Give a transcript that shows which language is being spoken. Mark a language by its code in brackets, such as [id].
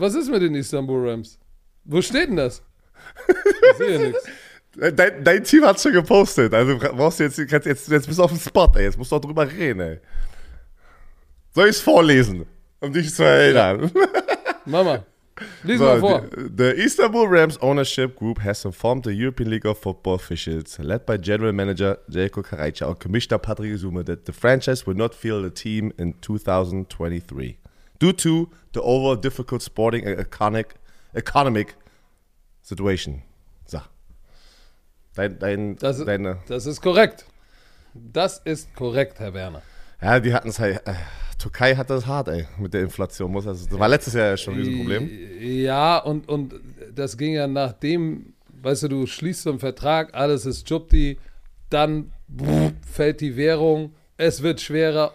[de] Was ist mit den Istanbul Rams? Wo steht denn das? Ich sehe nichts. Dein Team hat schon gepostet. Also brauchst du jetzt bist du auf dem Spot, ey. Jetzt musst du auch drüber reden, ey. Soll ich es vorlesen, um dich zu erinnern? Mama, lies mal vor. [en] The Istanbul Rams Ownership Group has informed the European League of Football officials, led by General Manager Jelko Karajca und Commissioner Patrick Zuma, that the franchise will not field the team in 2023 due to the overall difficult sporting and economic situation. [de] Das ist korrekt. Das ist korrekt, Herr Werner. Ja, die hatten es halt. Türkei hat das hart, ey, mit der Inflation. Das war letztes Jahr schon ein Riesenproblem. Ja, und das ging ja nachdem, weißt du, du schließt so einen Vertrag, alles ist Jubti, dann fällt die Währung, es wird schwerer.